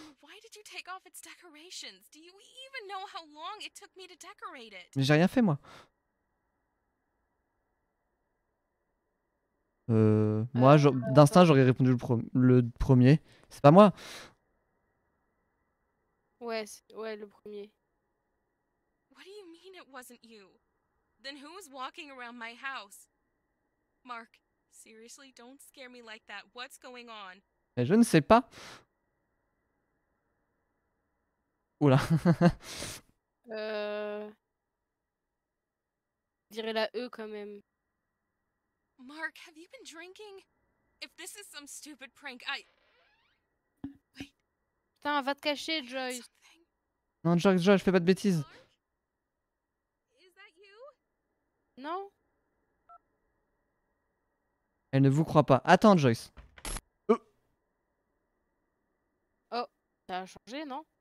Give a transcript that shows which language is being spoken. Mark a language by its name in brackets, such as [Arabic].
[English] Why did you take off its decorations? Do you even know how long it took me to decorate it? [French] Mais j'ai rien fait moi. Moi, d'instinct, j'aurais répondu le premier. C'est pas moi. Ouais, le premier. [English] What do you mean it wasn't you? Then who was walking around my house? Mark, seriously, don't scare me like that. What's going on? [French] Mais je ne sais pas. Oula. Je dirais la E quand même. [English] Mark, have you been drinking? If this is some stupid prank, I... Wait. [French] Putain, va te cacher, Joy. Non, Joy, je fais pas de bêtises. [English] Is that you? [French] Non. Elle ne vous croit pas. Attends, Joyce. Oh. Oh, ça a changé, non?